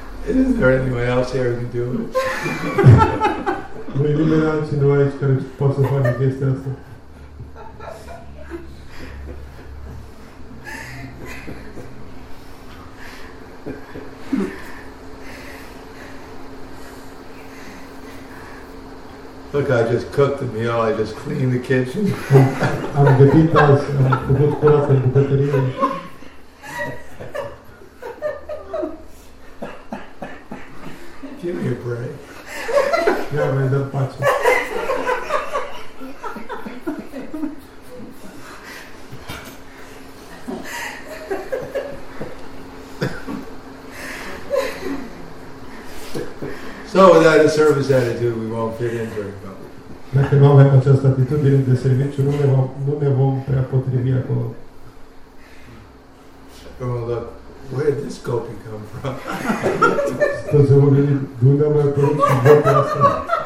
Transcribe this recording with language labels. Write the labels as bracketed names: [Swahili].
[English] Is there anyone else here who can do it? [Romanian] Nu-i nimeni altcineva aici care poate să facă chestia asta. [English] Look, I just cooked the meal, I just cleaned the kitchen. [Romanian] Am gătit azi, am făcut curat în bucătărie. [English] Give me a break. [Romanian] Ia, mai dă-mi pace. [English] So without a service attitude, we won't fit in very well. [Romanian] Dacă nu avem această atitudine de serviciu, nu ne vom prea potrivi acolo. [English] Well, look, where did this gopi come from? [Romanian] Toți vom gândi, de unde am apărut și gopi asta?